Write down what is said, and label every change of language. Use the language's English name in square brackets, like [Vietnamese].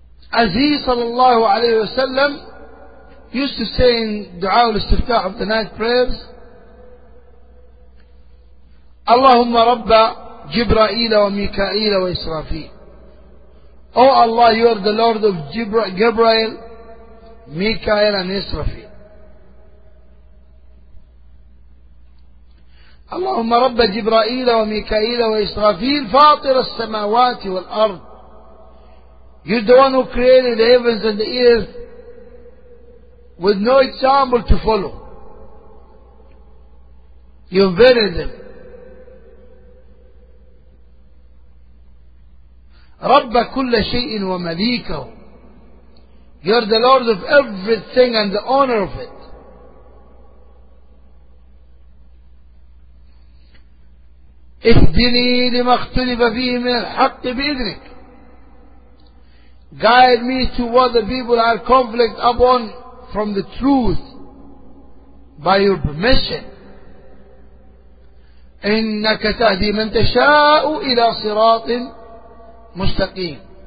[English] Aziz sallallahu alayhi wa sallam used to say in dua al-Siftah of the night prayers, [Arabic] اللهم رب جبرائيل وميكائيل وإسرافيل. [English] O Allah, you are the Lord of Gabriel, Mikael and Israfil. [Arabic] اللهم رب جبرائيل وميكائيل وإسرافيل فاطر السماوات والأرض. [English] You're the one who created the heavens and the earth with no example to follow. You invented them. [Arabic] رب كل شيء ومليكه. [English] You're the Lord of everything and the owner of it. [Arabic] اهدني لما اختلف فيه من الحق بإذنك. [English] Guide me to what the people are conflict upon from the truth by your permission. [Arabic] إنك تهدي من تشاء إلى صراط مستقيم.